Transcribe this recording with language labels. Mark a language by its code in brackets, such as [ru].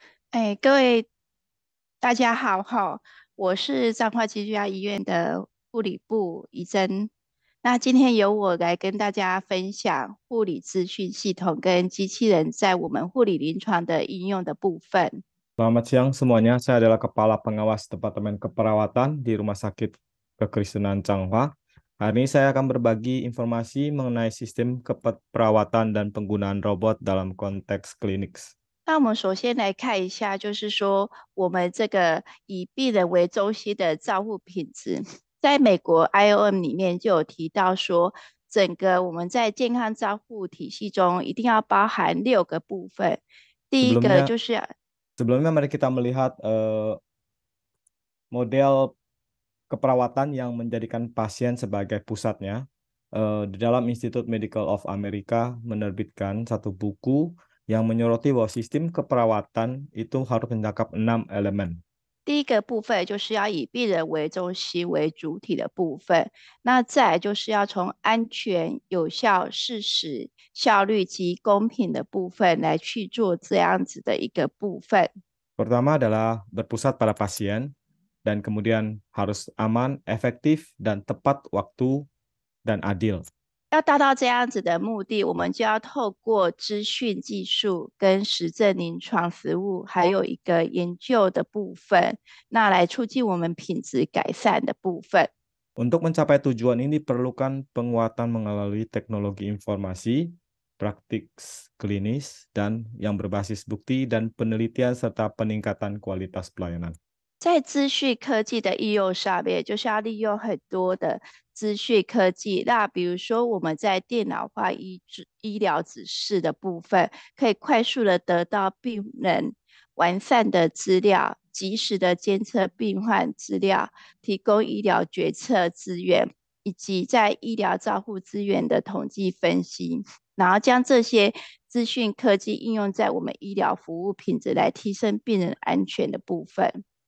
[zh] 哎，各位大家好哈，我是彰化基督教医院的护理部怡珍。那今天由我来跟大家分享护理资讯系统跟机器人在我们护理临床的应用的部分。 [id] Selamat siang semuanya. Saya adalah Kepala Pengawas Departemen Keperawatan di Rumah Sakit Kekristenan Changhua. Hari ini saya akan berbagi informasi mengenai sistem keperawatan dan penggunaan robot dalam konteks klinik. [zh] 那我们首先来看一下，就是说我们这个以病人为中心的照护品质，在美国 IOM 里面就有提到说，整个我们在健康照护体系中一定要包含六个部分。第一个 [id] Sebelumnya [zh] 就是， [id] Sebelumnya mari kita melihat model keperawatan yang menjadikan pasien sebagai pusatnya. Di dalam Institute Medical of America menerbitkan satu buku yang menyoroti bahwa sistem keperawatan itu harus mencakup 6 elemen. [zh] 第一个部分就是要以病人为中心为主体的部分，那再来就是要从安全、有效、适时、效率及公平的部分来去做这样子的一个部分。 [id] Pertama adalah berpusat pada pasien dan kemudian harus aman, efektif, dan tepat waktu dan adil. [zh] 要达到这样子的目的，我们就要透过资讯技术、跟实证临床实务，还有一个研究的部分，那来促进我们品质改善的部分。 [id] Untuk mencapai tujuan ini perlukan penguatan melalui teknologi informasi, praktik klinis dan yang berbasis bukti dan penelitian serta peningkatan kualitas pelayanan. [zh] 在资讯科技的应用上面，就是要利用很多的资讯科技。那比如说，我们在电脑化医疗指示的部分，可以快速的得到病人完善的资料，及时的监测病患资料，提供医疗决策资源，以及在医疗照护资源的统计分析，然后将这些资讯科技应用在我们医疗服务品质，来提升病人安全的部分。